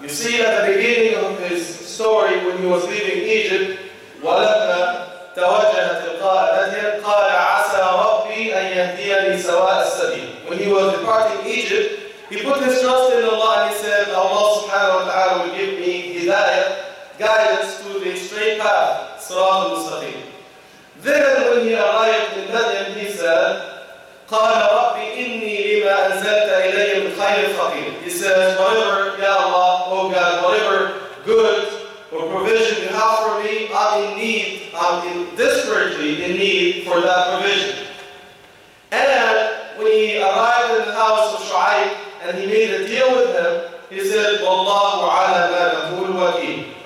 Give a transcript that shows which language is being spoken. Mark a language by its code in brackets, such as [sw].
[en] You see at the beginning of his story when he was leaving Egypt, [ar] وَلَمَّا تَوَجَّهَ تِلْقَاءَ مَدْيَنَ قَالَ عَسَى رَبِّي أَنْ يَهْدِيَنِي سَوَاءَ السَّبِيلِ. [en] When he was departing Egypt, he put his trust in Allah and he said, Allah subhanahu wa ta'ala will give me hidayah, guidance to the straight path, [ar] صِرَاطَ الْمُسْتَقِيمِ. [en] Then when he arrived in Madian, he said, [ar] قَالَ رَبِّ إِنِّي لِمَا أَنزَلْتَ إِلَيَّ مِنْ خَيْرٍ فَقِيرٍ. [en] He says, whatever, Ya Allah, O God, whatever good or provision you have for me, I'm in need, I'm desperately in need for that provision. And when he arrived in the house of Shu'aib and he made a deal with him, he said, [ar] وَاللَّهُ عَلَى مَا نَقُولُ وَكِيلٌ.